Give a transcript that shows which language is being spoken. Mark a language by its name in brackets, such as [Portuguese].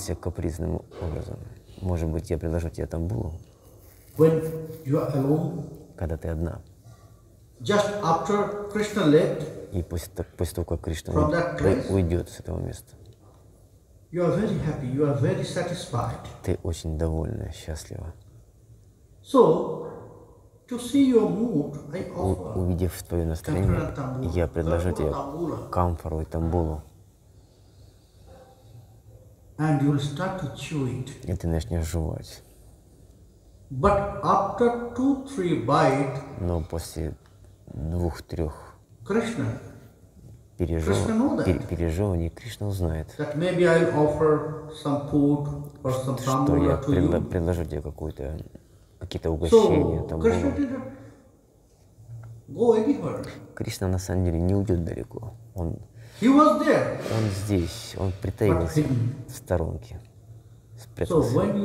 [Russian] себя капризным образом. Может быть, я предложу тебе тамбулу? [English] When you are alone, [Russian] когда ты одна. [English] Just after Krishna left, [Russian] и после того, как Кришна уйдет с этого места. [English] You are very happy, you are very satisfied. [Russian] Ты очень довольна, счастлива. [English] So, to see your mood, I offer [Russian] увидев твое настроение, я предложу тебе камфору и тамбулу. [English] And you'll start to chew it. [Russian] И ты начнешь жевать. [English] But after 2-3 bite. [Russian] Но после 2-3. [English] Krishna. [Russian] Пережевывание Кришна узнает. [English] That maybe I offer some food or some tamula to you. [Russian] Что я предложу тебе какие-то угощения там. [English] So Krishna didn't go anywhere. [Russian] Кришна на самом деле не уйдет далеко. Он [English] He was there. [Russian] Он здесь, он притаился в сторонке, спрятался.